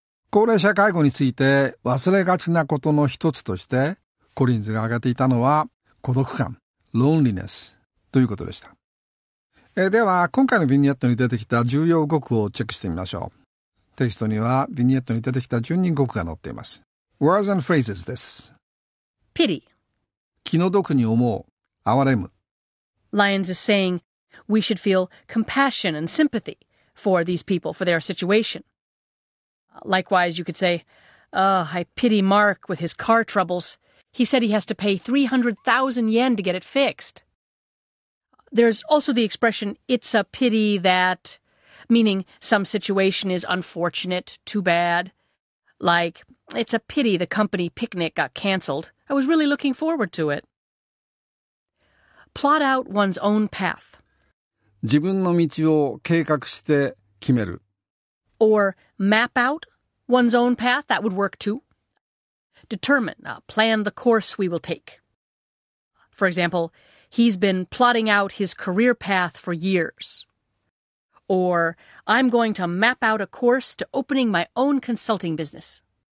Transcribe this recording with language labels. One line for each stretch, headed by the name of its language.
Japanese: 高齢者介護について忘れがちなことの一つとしてコリンズが挙げていたのは孤独感、ロンリネスということでした。では今回のビニエットに出てきた重要語句をチェックしてみましょう。テキストにはビニエットに出てきた順に語句が載っています。
English: Words and phrases
Japanese: です。
English: Pity、
Japanese: 気の毒に思う、哀れむ。
English: Lyons is saying we should feel compassion and sympathy for these people, for their situation. Likewise, you could say, I pity Mark with his car troubles. He said he has to pay 300,000 yen to get it fixed. There's also the expression, it's a pity that, meaning some situation is unfortunate, too bad. Like, it's a pity the company picnic got canceled. I was really looking forward to it. plot out one's own path.
Japanese: 自分の道を計画して決める。
English: Or map out one's own path, that would work too. Determine, plan the course we will take. For example, he's been plotting out his career path for years. Or I'm going to map out a course to opening my own consulting business.